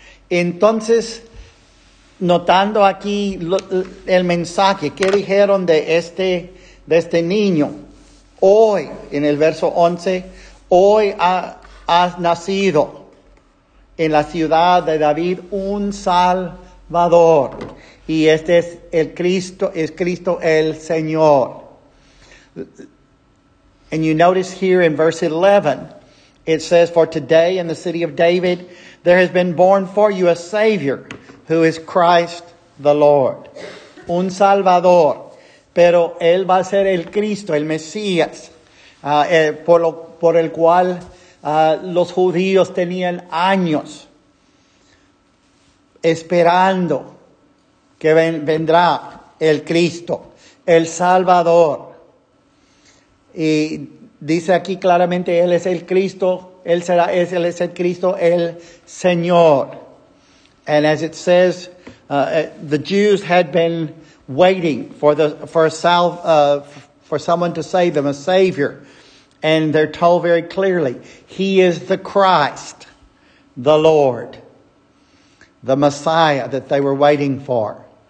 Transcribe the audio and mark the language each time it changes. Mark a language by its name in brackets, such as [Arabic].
[Spanish] Entonces, notando aquí el mensaje, ¿qué dijeron de este niño? Hoy, en el verso 11, hoy has nacido en la ciudad de David un Salvador. Y este es el Cristo, es Cristo el Señor. [English] And you notice here in verse 11, it says, for today in the city of David, there has been born for you a Savior, who is Christ the Lord. [Spanish] Un Salvador. Pero Él va a ser el Cristo, el Mesías, por el cual los judíos tenían años esperando que vendrá el Cristo, el Salvador. Y dice aquí claramente, Él es el Cristo, Él es el Cristo, el Señor. [English] And as it says, the Jews had been waiting for someone to save them, a Savior. And they're told very clearly, He is the Christ, the Lord, the Messiah that they were waiting for.